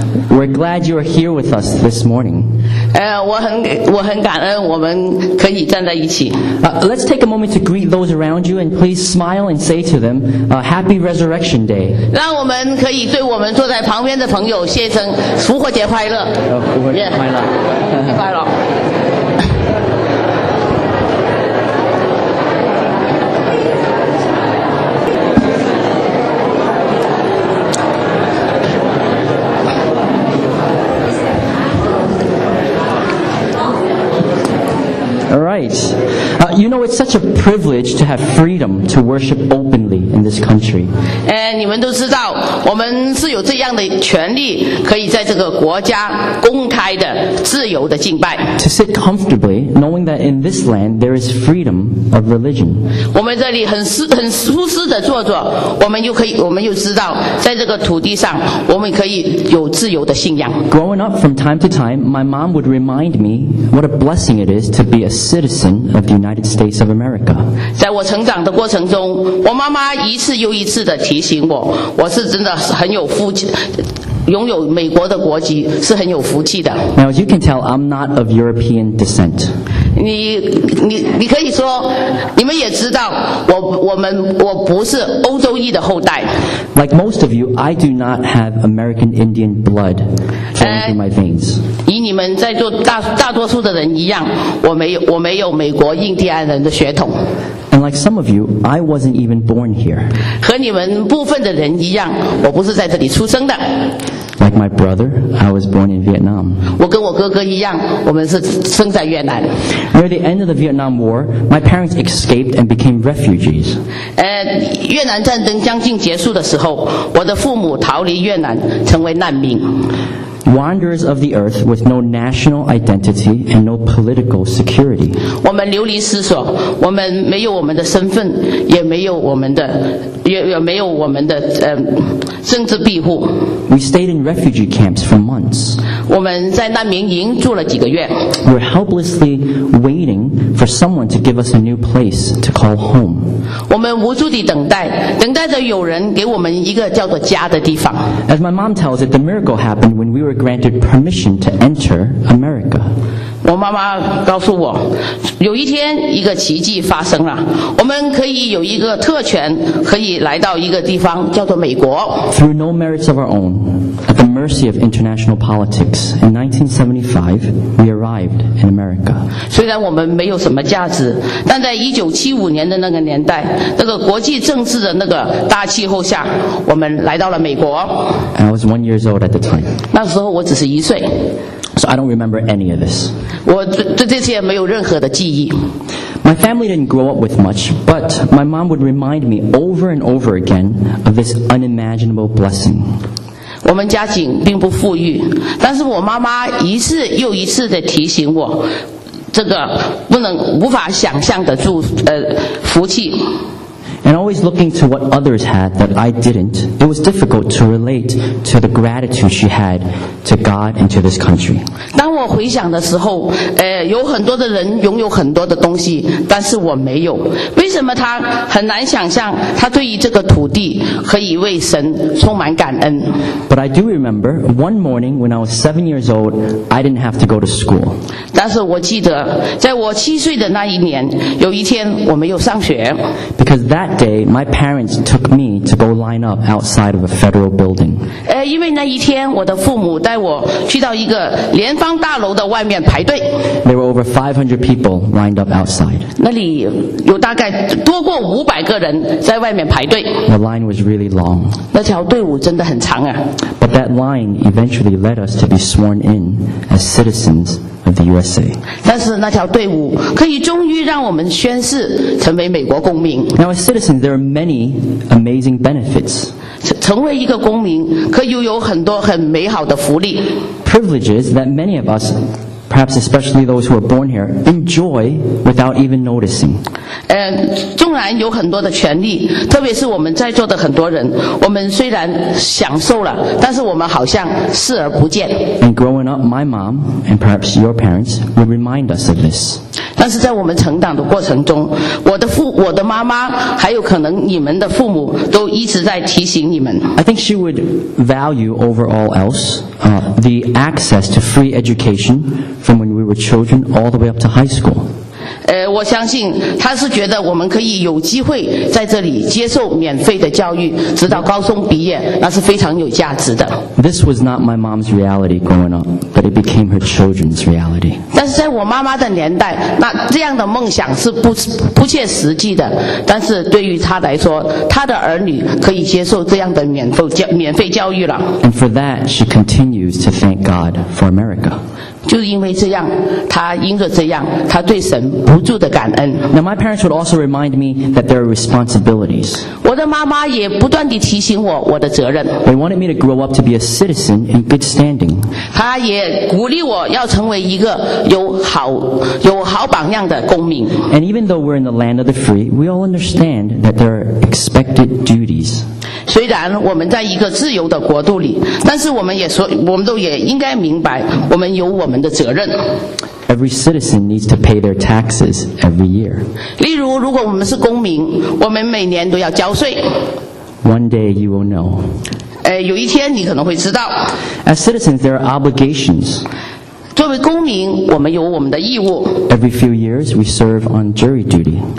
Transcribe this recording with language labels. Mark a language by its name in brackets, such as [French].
[English] We're glad you are here with us this morning [Chinese] 我很感恩我们可以站在一起 [English] Let's take a moment to greet those around you and please smile and say to them Happy Resurrection Day [Chinese] 让我们可以对我们坐在旁边的朋友谢声复活节快乐复活节快乐快乐 [English] You know, it's such a privilege to have freedom to worship openly in this country. [Chinese] 你们都知道，我们是有这样的权利，可以在这个国家公开的、自由的敬拜。 [English] To sit comfortably, knowing that in this land there is freedom of religion. [Chinese] 我们这里很舒适的坐着，我们又可以，我们又知道，在这个土地上，我们可以有自由的信仰。 [English] Growing up, from time to time, my mom would remind me what a blessing it is to be a citizen of the United States of America. [Chinese] 在我成长的过程中，我妈妈一次又一次的提醒我，我是真的很有福气，拥有美国的国籍是很有福气的。 [English] Now, as you can tell, I'm not of European descent. [Chinese] 你可以说，你们也知道，我不是欧洲裔的后代。 [English] Like most of you, I do not have American Indian blood flowing through my veins. [Chinese] 与你们在座大多数的人一样，我没有美国印第安人的血统。 [English] And like some of you, I wasn't even born here. [Chinese] 和你们部分的人一样，我不是在这里出生的。 [English] Like my brother, I was born in Vietnam. [Chinese] 我跟我哥哥一样，我们是生在越南。 [English] Near the end of the Vietnam War, my parents escaped and became refugees. [Chinese] 越南战争将近结束的时候，我的父母逃离越南，成为难民。 [English] Wanderers of the earth with no national identity and no political security. [Chinese] 我们流离失所，我们没有我们的身份，也没有我们的，也没有我们的政治庇护。 [English] We stayed in refugee camps for months. [Chinese] 我们在难民营住了几个月。 [English] We're helplessly waiting for someone to give us a new place to call home. [Chinese] 我们无助地等待着有人给我们一个叫做家的地方。 [English] As my mom tells it, the miracle happened when we were granted permission to enter America. [Chinese] 我妈妈告诉我，有一天一个奇迹发生了，我们可以有一个特权，可以来到一个地方叫做美国。 [English] Through no merits of our own, at the mercy of international politics, in 1975, we arrived in America. [Chinese] 虽然我们没有什么价值，但在1975年的那个年代，那个国际政治的那个大气候下，我们来到了美国。 [English] I was 1 year old at the time. [Chinese] 那时候我只是一岁。 [English] So I don't remember any of this. [Chinese] 我对这些没有任何的记忆。 [English] My family didn't grow up with much, but my mom would remind me over and over again of this unimaginable blessing. [Chinese] 我们家境并不富裕，但是我妈妈一次又一次地提醒我，这个不能无法想象的福气。 [English] And always looking to what others had that I didn't, it was difficult to relate to the gratitude she had to God and to this country. [Chinese] 当我回想的时候，有很多的人拥有很多的东西，但是我没有。为什么他很难想象他对于这个土地可以为神充满感恩？ [English] But I do remember one morning when I was 7 years old, I didn't have to go to school. [Chinese] 但是我记得，在我七岁的那一年，有一天我没有上学。 [English] Because that day, my parents took me to go line up outside of a federal building. [Chinese] 因为那一天我的父母带我去到一个联邦大楼的外面排队。 [English] There were over 500 people lined up outside. [Chinese] 那里有大概多过500个人在外面排队。 [English] The line was really long. [Chinese] 那条队伍真的很长啊。 [English] But that line eventually led us to be sworn in as citizens of the USA. [Chinese] 但是那条队伍可以终于让我们宣誓成为美国公民。 [English] Now as citizens, there are many amazing benefits. [Chinese] 成为一个公民可以有很多很美好的福利。 [English] Privileges that many of us, perhaps especially those who are born here, enjoy without even noticing. [Chinese] 纵然有很多的权利，特别是我们在座的很多人，我们虽然享受了，但是我们好像视而不见。 [English] And growing up, my mom and perhaps your parents will remind us of this. [Chinese] 但是在我们成长的过程中，我的妈妈，还有可能你们的父母，都一直在提醒你们。 [English] I think she would value over all else, the access to free education from when we were children all the way up to high school. [Chinese] 我相信她是觉得我们可以有机会在这里接受免费的教育，直到高中毕业，那是非常有价值的。 [English] This was not my mom's reality growing up, but it became her children's reality. [Chinese] 在我妈妈的年代，那这样的梦想是 不切实际的，但是对于她来说，她的儿女可以接受这样的免费教育了。 [English] And for that, she continues to thank God for America. [Chinese] 就因为这样，她因着这样，她对神不住的感恩。 [English] Now my parents would also remind me that there are responsibilities. [Chinese] 我的妈妈也不断地提醒我的责任。 [English] They wanted me to grow up to be a citizen in good standing. [Chinese] 她也鼓励我要成为一个有好榜样的公民。 [English] And even though we're in the land of the free, we all understand that there are expected duties. [Chinese] 虽然我们在一个自由的国度里，但是我们都也应该明白，我们有我们的责任。 [English] Every citizen needs to pay their taxes every year. [Chinese] 例如，如果我们是公民，我们每年都要交税。 [English] One day you will know. [Chinese] 有一天你可能会知道。 [English] As citizens, there are obligations. [Chinese] 作为公民，我们有我们的义务。 [English] Every few years, we serve on jury duty.